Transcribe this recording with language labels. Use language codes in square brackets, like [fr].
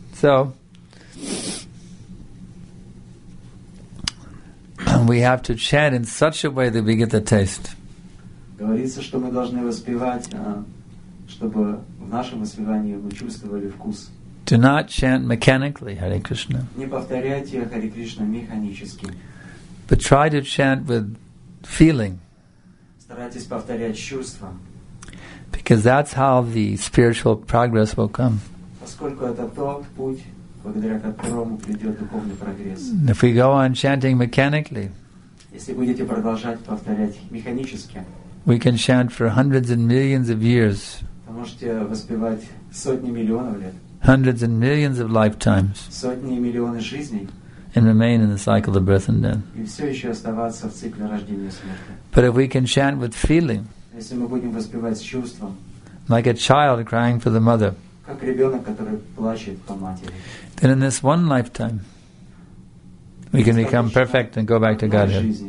[en] So we have to chant in such a way that we get the taste. [ru] Говорится, что мы должны воспевать, чтобы в нашем воспевании мы чувствовали вкус. [en] Do not chant mechanically, Hare Krishna. [ru] Не повторяйте Hare Krishna механически. [en] But try to chant with feeling. [ru] Старайтесь повторять чувства. [en] Because that's how the spiritual progress will come. [ru] Поскольку это тот путь, благодаря которому придет духовный прогресс. [en] If we go on chanting mechanically, [ru] если будете продолжать повторять механически, [en] we can chant for hundreds and millions of years, [ru] вы можете воспевать сотни миллионов лет, [en] hundreds and millions of lifetimes, [ru] сотни и миллионы жизней, [en] and remain in the cycle of birth and death. [ru] И все еще оставаться в цикле рождения и смерти. [en] But if we can chant with feeling, [ru] если мы будем воспевать с чувством, [en] like a child crying for the mother, [ru] как ребенок, который плачет по матери, [en] then in this one lifetime, we can become perfect and go back to Godhead.